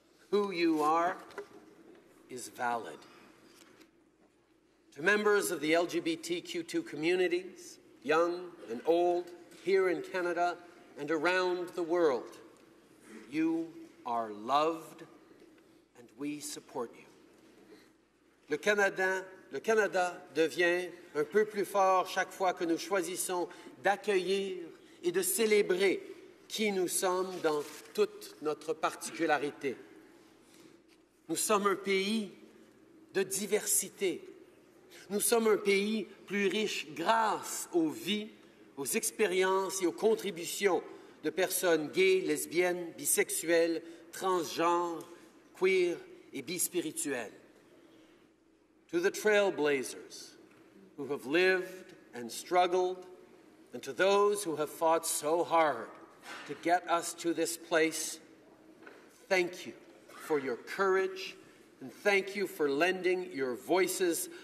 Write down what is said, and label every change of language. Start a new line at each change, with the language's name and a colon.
English: Who you are is valid. To members of the LGBTQ2 communities, young and old, here in Canada and around the world, you are loved and we support you.
French: Le Canada devient un peu plus fort chaque fois que nous choisissons d'accueillir et de célébrer qui nous sommes dans toute notre particularité. Nous sommes un pays de diversité. Nous sommes un pays plus riche grâce aux vies, aux expériences et aux contributions de personnes gays, lesbiennes, bisexuelles, transgenres, queer et bispirituelles.
English: To the trailblazers who have lived and struggled, and to those who have fought so hard to get us to this place, thank you for your courage, and thank you for lending your voices.